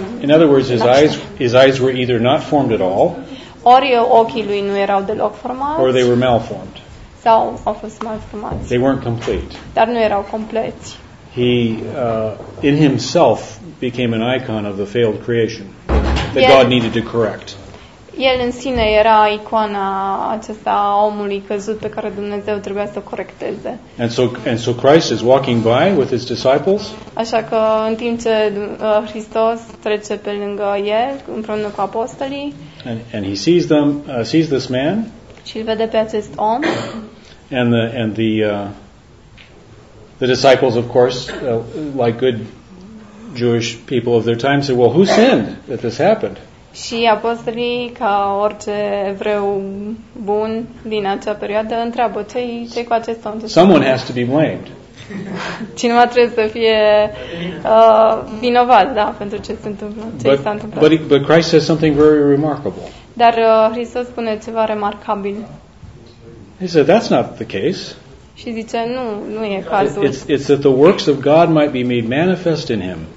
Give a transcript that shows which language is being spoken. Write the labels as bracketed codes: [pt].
[en] In other words, his eyes were either not formed at all, [ro] ori ochii lui nu erau deloc formați, [en] or they were malformed. [ro] Sau au fost malformați. [en] They weren't complete. [ro] Dar nu erau compleți. [en] He in himself became an icon of the failed creation that God needed to correct. [ro] El în sine era icoana acesta a omului căzut pe care Dumnezeu trebuia să o corecteze. [en] And so Christ is walking by with his disciples. [ro] Așa că în timp ce Hristos trece pe lângă el împreună cu apostolii. [en] And he sees them sees this man. [ro] Și îl vede pe acest om. [en] And the disciples, of course, like good Jewish people of their time, said, "Well, who sinned that this happened?" [ro] Și apostolii, ca orice evreu bun din acea perioadă, întreabă, ce-i cu acest om? [en] Someone has to be blamed. [ro] Cineva trebuie să fie vinovat, da, pentru ce s-a întâmplat. [en] But Christ says something very remarkable. [ro] Dar Hristos spune ceva remarcabil. [en] He said, "That's not the case." [ro] Și zice, nu e cazul. [en] It's that the works of God might be made manifest in him.